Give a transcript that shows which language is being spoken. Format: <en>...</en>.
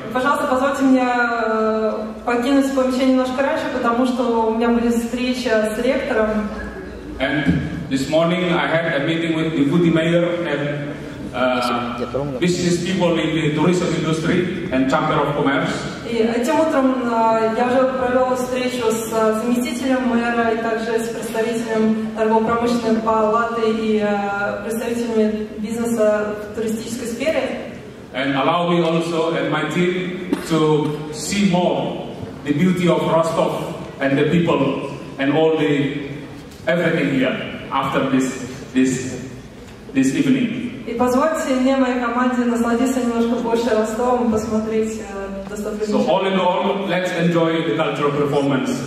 <ru>Пожалуйста, позвольте мне покинуть помещение немножко раньше, потому что у меня будет встреча с ректором.</ru> <en>And this morning I had a meeting with the deputy mayor and business people in the tourism industry and chamber of commerce.</en> <ru>Этим утром я уже провел встречу с заместителем мэра и также с представителем торгово-промышленной палаты и представителями бизнеса в туристической сфере.</ru> <en>And allow me also and my team to see more the beauty of Rostov and the people and all the everything here after this evening.</en> <ru>И позвольте мне, моей команде, насладиться немножко больше Ростовом, посмотреть достопримечательности.</ru> <en>So all in all, let's enjoy the cultural performance.</en>